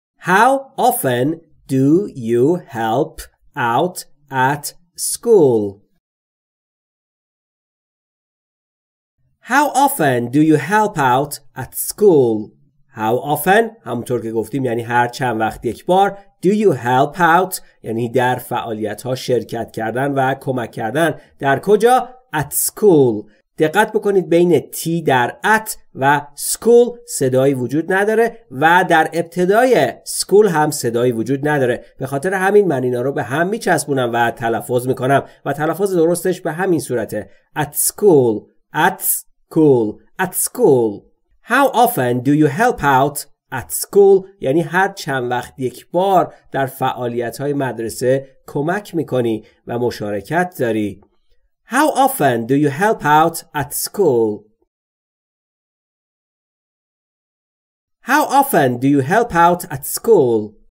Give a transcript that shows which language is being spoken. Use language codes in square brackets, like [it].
[en] How often do you help out at school? How often do you help out at school? How often [fa] همونطور که گفتیم یعنی هر چند وقت یک بار. [en] do you help out [fa] یعنی در فعالیت ها شرکت کردن و کمک کردن. در کجا؟ [en] at school. [fa] دقت بکنید بین t در at و school صدایی وجود نداره و در ابتدای school هم صدایی وجود نداره. به خاطر همین من اینا رو به هم میچسبونم و تلفظ میکنم و تلفظ درستش به همین صورته. [en] at school. at school. at school. How often do you help out at school [fa] یعنی هر چند وقت یک بار در فعالیت‌های مدرسه کمک می‌کنی و مشارکت داری. [en] How often do you help out at school. How often do you help out at school.